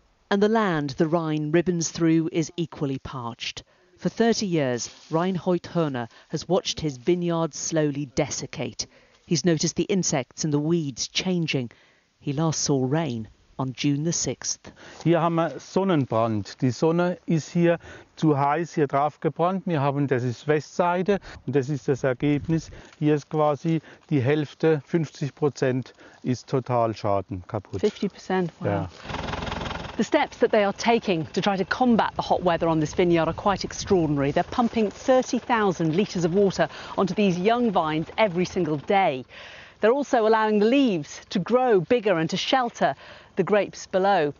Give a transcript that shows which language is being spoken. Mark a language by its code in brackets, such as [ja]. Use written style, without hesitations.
[en] And the land the Rhine ribbons through is equally parched. For 30 years, Reinhold Hörner has watched his vineyard slowly desiccate. He's noticed the insects and the weeds changing. He last saw rain on June the 6th. [de] Hier haben wir Sonnenbrand. Die Sonne ist hier zu heiß hier drauf gebrannt. Wir haben, das ist Westseite und das ist das Ergebnis. Hier ist quasi die Hälfte, 50% ist total Schaden kaputt. [en] 50%, wow. Yeah. The steps that they are taking to try to combat the hot weather on this vineyard are quite extraordinary. They're pumping 30,000 litres of water onto these young vines every single day. They're also allowing the leaves to grow bigger and to shelter the grapes below.